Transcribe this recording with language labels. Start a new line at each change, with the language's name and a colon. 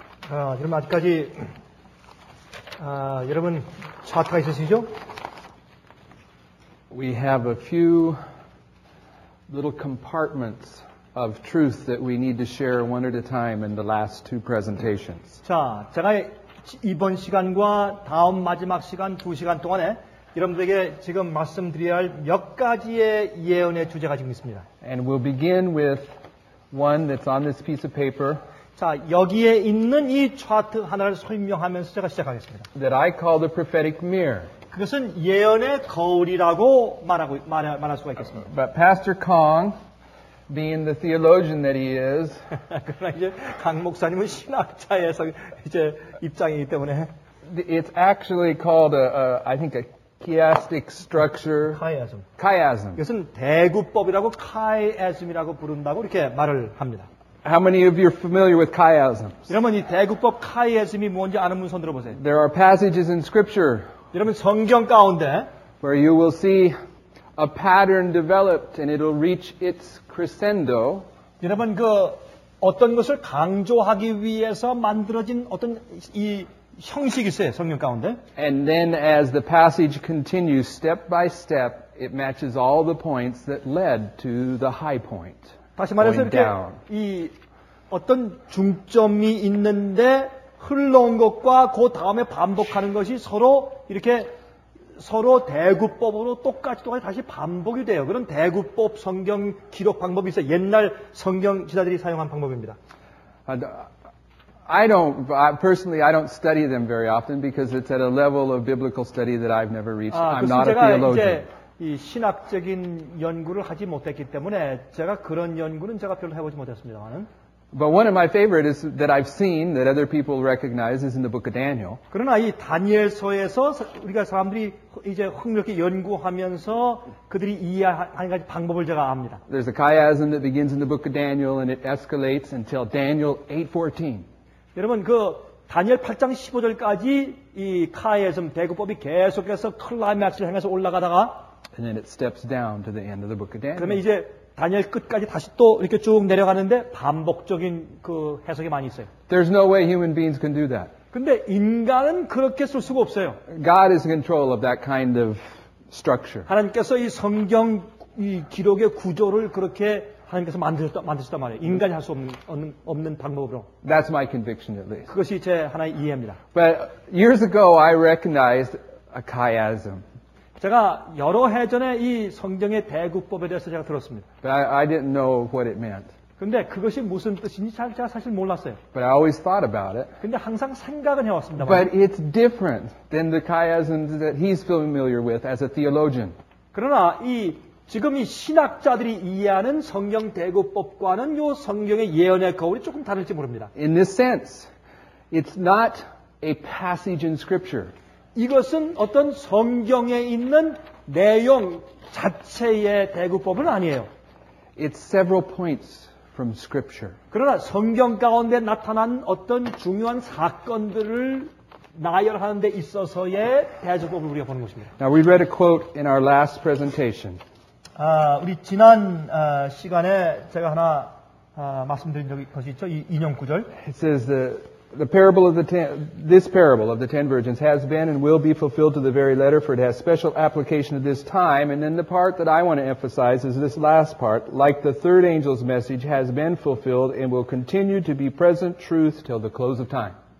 Korean: 여러분 아직까지 여러분 차트가 있으시죠?
English: We have a few little compartments of truth that we need to share one at a time in the last two presentations.
Korean: 자, 제가 이번 시간과 다음 마지막 시간 두 시간 동안에 여러분들에게 지금 말씀드려야 할 몇 가지의 예언의 주제가 지금 있습니다.
English: And we'll begin with one that's on this piece of paper.
Korean: 자, 여기에 있는 이 차트 하나를 설명하면서 제가 시작하겠습니다.
English: That I call the prophetic mirror.
Korean: 그것은 예언의 거울이라고 말할 수가 있겠습니다.
English: But Pastor Kong, being the theologian that he is,
Korean: 그러나 이제 강 목사님은 신학자에서 이제 입장이기 때문에
English: it's actually called I think a chiastic structure. Chiasm.
Korean: 이것은 대구법이라고 chiasm이라고 부른다고 이렇게 말을 합니다.
English: How many of you are familiar with chiasms?
Korean: 여러분 이 대구법 chiasm이 뭔지 아는 분 손 들어보세요.
English: There are passages in scripture.
Korean: 여러분 성경 가운데
English: where you will see a pattern developed and it'll reach its crescendo.
Korean: 여러분 그 어떤 것을 강조하기 위해서 만들어진 어떤 이 형식이 있어요, 성경 가운데.
English: And then as the passage continues step by step, it matches all the points that led to the high point.
Korean: 다시 말해서 이렇게 이 어떤 중점이 있는데 흘러온 것과 그 다음에 반복하는 것이 서로 이렇게 서로 대구법으로 똑같이 다시 반복이 돼요. 그런 대구법 성경 기록 방법이 있어요. 옛날 성경 지자들이 사용한 방법입니다.
English: I personally don't study them very often because it's at a level of biblical study that I've never reached. I'm not a theologian.
Korean: 이 신학적인 연구를 하지 못했기 때문에 제가 그런 연구는 제가 별로 해보지 못했습니다만은.
English: But one of my favorite is that I've seen that other people recognize is in the book of Daniel.
Korean: 그러나 이 다니엘서에서 우리가 사람들이 이제 흥미롭게 연구하면서 그들이 이해하는 가지 방법을 제가 압니다.
English: There's a chiasm that begins in the book of Daniel and it escalates until Daniel 8:14.
Korean: 여러분 그 다니엘 8장 15절까지 이 카이아즘 대구법이 계속해서 클라이맥스를 향해서 올라가다가
English: And then it steps down to the end of the book of Daniel.
Korean: 그러면 이제 다니엘 끝까지 다시 또 이렇게 쭉 내려가는데 반복적인 그 해석이 많이 있어요.
English: There's no way human beings can do that.
Korean: 근데 인간은 그렇게 쓸 수가 없어요.
English: God is in control of that kind of structure.
Korean: 하나님께서 이 성경 이 기록의 구조를 그렇게 하나님께서 만드셨단 말이에요. 인간이 할 수 없는 방법으로.
English: That's my conviction at least.
Korean: 그것이 제 하나의 이해입니다.
English: But years ago I recognized a chiasm.
Korean: 제가 여러 해 전에 이 성경의 대구법에 대해서 제가 들었습니다.
English: But I didn't know what it meant.
Korean: 근데 그것이 무슨 뜻인지 제가 사실 몰랐어요.
English: But I always thought about it.
Korean: 근데 항상 생각은 해왔습니다.
English: But it's different than the chiasms that he's familiar with as a theologian.
Korean: 그러나 이 지금 이 신학자들이 이해하는 성경 대구법과는 요 성경의 예언의 거울이 조금 다를지 모릅니다.
English: In this sense, it's not a passage in scripture.
Korean: 이것은 어떤 성경에 있는 내용 자체의 대구법은 아니에요.
English: It's several points from scripture.
Korean: 그러나 성경 가운데 나타난 어떤 중요한 사건들을 나열하는 데 있어서의 대구법을 우리가 보는 것입니다.
English: Now we read a quote in our last presentation.
Korean: 우리 지난 시간에 제가 하나 말씀드린 적이 있죠. 이 인용 구절.
English: It says this parable of the ten virgins has been and will be fulfilled to the very letter, for it has special application of this time. And then the part that I want to emphasize is this last part, like the third angel's message, has been fulfilled and will continue to be present truth till the close of time.